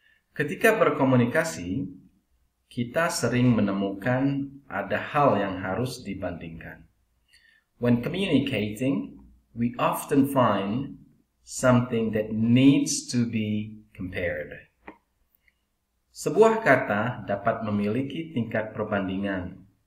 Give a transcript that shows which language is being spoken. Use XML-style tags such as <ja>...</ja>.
<id>Ketika berkomunikasi, kita sering menemukan ada hal yang harus dibandingkan.</id> <en>When communicating, we often find something that needs to be compared.</en> <id>Sebuah kata dapat memiliki tingkat perbandingan.</id>